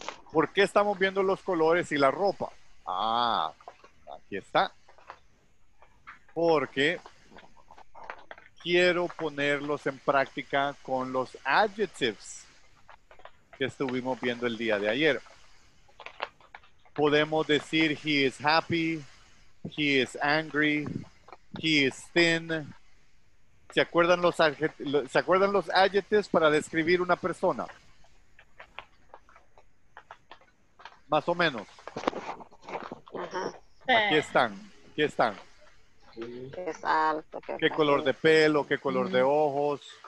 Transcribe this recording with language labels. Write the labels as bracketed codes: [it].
[es] ¿Por qué estamos viendo los colores y la ropa? Ah, aquí está. Porque quiero ponerlos en práctica con los adjectives que estuvimos viendo el día de ayer. Podemos decir [en] he is happy, he is angry, he is thin. [es] ¿Se acuerdan los adjectives para describir una persona? Más o menos. Aquí están. aquí están. Es alto. ¿Qué está color de pelo? ¿Qué color de ojos?